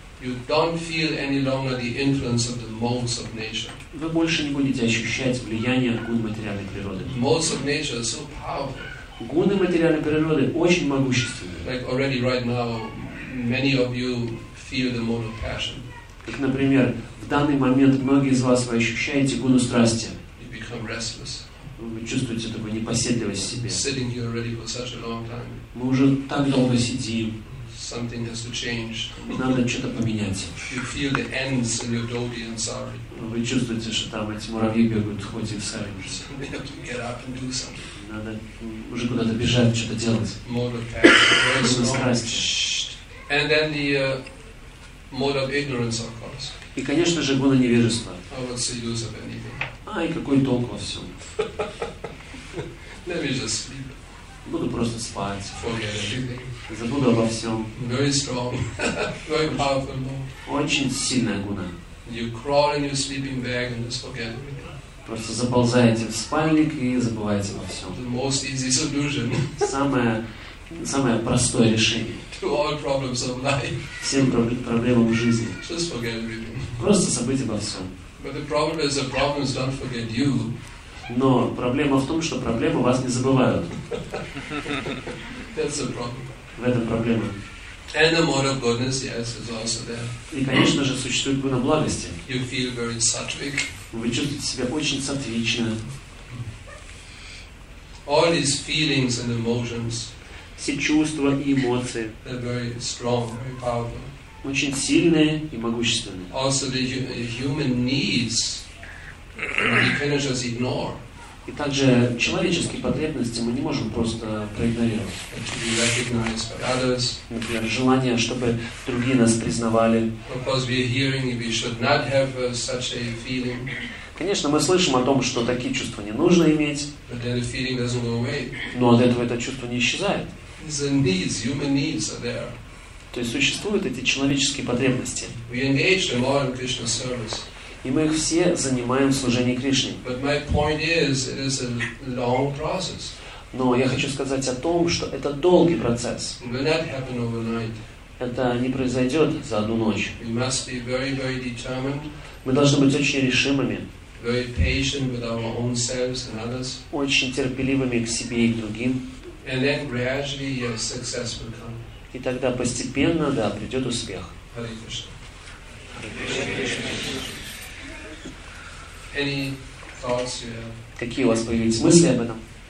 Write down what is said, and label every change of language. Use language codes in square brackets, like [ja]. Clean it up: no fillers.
[en] You don't feel any longer the influence of the modes of nature. [ru] Вы больше не будете ощущать влияние гун материальной природы. [en] Modes of nature are so powerful. [ru] Гуны материальной природы очень могущественны. [en] Like already right now, many of you feel the mode of passion. [ru] Как, например, в данный момент многие из вас вы ощущаете гуну страсти. [en] You become restless. [ru] Вы чувствуете такую непоседливость в себе. [en] Sitting here already for such a long time. [ru] Мы уже так долго сидим. [en] Something has to change. [ru] Надо что-то поменять. [en] You feel the ants in your dhoti and sari. [ru] Вы чувствуете, что там эти муравьи бегают, хоть и в сари. [en] You have to get up and do something. [ru] Надо уже куда-то бежать, что-то делать. [en] Mode of passion. [ru] Страсть. [en] And then the mode of ignorance, of course. [ru] И, конечно же, гуна невежества. [en] Oh, what's the use of anything? [ru] Ай, какой толк во всем? [en] Let me just sleep. [ru] Буду просто спать. [en] Forget everything. [ru] Забуду обо всем. [en] Very strong. Very powerful mode. [ru] Очень сильная гуна. [en] You crawl in your sleeping bag and just forget everything. [ru] Просто заползаете в спальник и забываете обо всем. [en] The most easy solution. [ru] Самое простое решение. [en] To all problems of life. [ru] Всем проблемам жизни. [en] Just forget everything. [ru] Просто забыть обо всем. [en] But the problem is the problems don't forget you. [ru] Но проблема в том, что проблемы вас не забывают. [en] That's the problem. [ru] В этом проблема. [en] And the mode of goodness, yes, is also there. [ru] И, конечно же, существует гуна благости. [en] You feel very sattvic. [ru] Вы чувствуете себя очень сатвично. [en] All these feelings and emotions. [ru] Все чувства и эмоции. [en] They're very strong, very powerful. [ru] Очень сильные и могущественные. [en] Also the human needs, we cannot just ignore. [ru] И также человеческие потребности мы не можем просто проигнорировать. [en] To be recognized by others. [ru] Например, желание, чтобы другие нас признавали. [en] Because we are hearing, we should not have such a feeling. [ru] Конечно, мы слышим о том, что такие чувства не нужно иметь. [en] But then the feeling doesn't go away. [ru] Но от этого это чувство не исчезает. [en] The needs, human needs are there. [ru] То есть существуют эти человеческие потребности. [en] We engage them all in Krishna service. [ru] И мы их все занимаем в служении Кришне. [en] But my point is, it is a long process. [ru] Но я хочу сказать о том, что это долгий процесс. [en] It will not happen overnight. [ru] Это не произойдет за одну ночь. [en] We must be very, very determined. [ru] Мы должны быть очень решимыми. [en] Very patient with our own selves and others. [ru] Очень терпеливыми к себе и к другим. [en] And then gradually, yes, success will come. [ru] И тогда постепенно, да, придет успех. [en] Any thoughts you have? [ru] Какие у вас появились мысли об этом?